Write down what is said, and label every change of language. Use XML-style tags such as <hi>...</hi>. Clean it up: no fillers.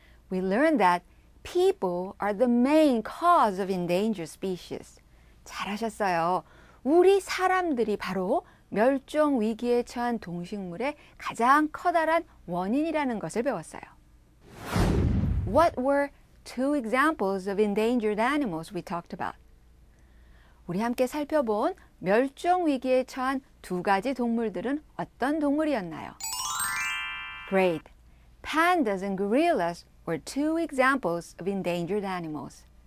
<en>We learned that people are the main cause of endangered species.</en> <ko>잘하셨어요. 우리 사람들이 바로 멸종 위기에 처한 동식물의 가장 커다란 원인이라는 것을 배웠어요.</ko> <en>What were two examples of endangered animals we talked about?</en> <ko>우리 함께 살펴본 멸종 위기에 처한 두 가지 동물들은 어떤 동물이었나요?</ko> <en>Great! Pandas and gorillas were two examples of endangered animals.</en>